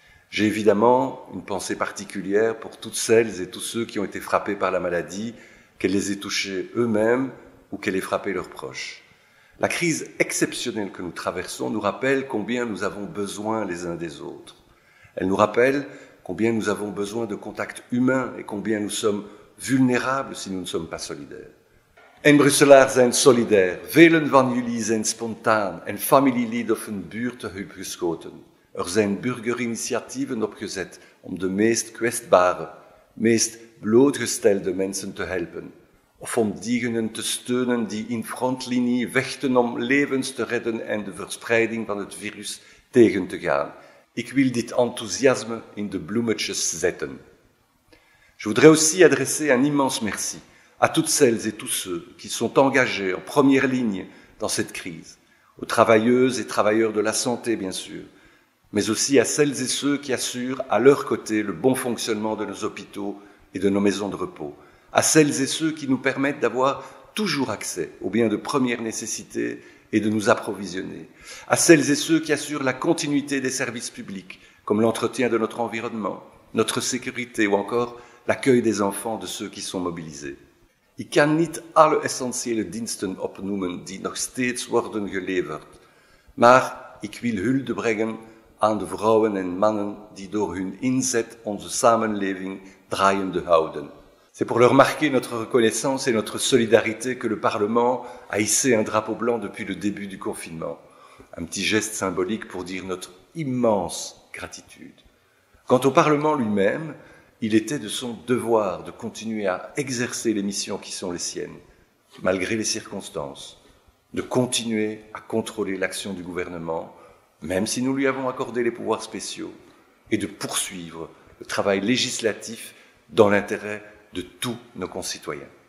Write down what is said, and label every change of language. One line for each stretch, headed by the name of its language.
French: J'ai évidemment une pensée particulière pour toutes celles et tous ceux qui ont été frappés par la maladie, qu'elle les ait touchés eux-mêmes ou qu'elle ait frappé leurs proches. La crise exceptionnelle que nous traversons nous rappelle combien nous avons besoin les uns des autres. Elle nous rappelle combien nous avons besoin de contacts humains et combien nous sommes vulnérables si nous ne sommes pas solidaires.
Dutch: En Brusselaar zijn solidair, velen van jullie zijn spontaan en familielid of een buurthulp geschoten. Er zijn burgerinitiatieven opgezet om de meest kwetsbare, meest blootgestelde mensen te helpen. Of om diegenen te steunen die in frontlinie vechten om levens te redden en de verspreiding van het virus tegen te gaan. Ik wil dit enthousiasme in de bloemetjes zetten.
French: Je voudrais aussi adresser un immense merci à toutes celles et tous ceux qui sont engagés en première ligne dans cette crise, aux travailleuses et travailleurs de la santé, bien sûr, mais aussi à celles et ceux qui assurent à leur côté le bon fonctionnement de nos hôpitaux et de nos maisons de repos, à celles et ceux qui nous permettent d'avoir toujours accès aux biens de première nécessité et de nous approvisionner, à celles et ceux qui assurent la continuité des services publics, comme l'entretien de notre environnement, notre sécurité ou encore l'accueil des enfants de ceux qui sont mobilisés.
Dutch: Ik kan niet alle essentiële diensten opnoemen die nog steeds worden geleverd, maar ik wil hulde brengen aan de vrouwen en mannen die door hun inzet onze samenleving draaiende houden.
French: C'est pour leur marquer notre reconnaissance et notre solidarité que le Parlement a hissé un drapeau blanc depuis le début du confinement. Un petit geste symbolique pour dire notre immense gratitude. Quant au Parlement lui-même, il était de son devoir de continuer à exercer les missions qui sont les siennes, malgré les circonstances, de continuer à contrôler l'action du gouvernement, même si nous lui avons accordé les pouvoirs spéciaux, et de poursuivre le travail législatif dans l'intérêt de tous nos concitoyens.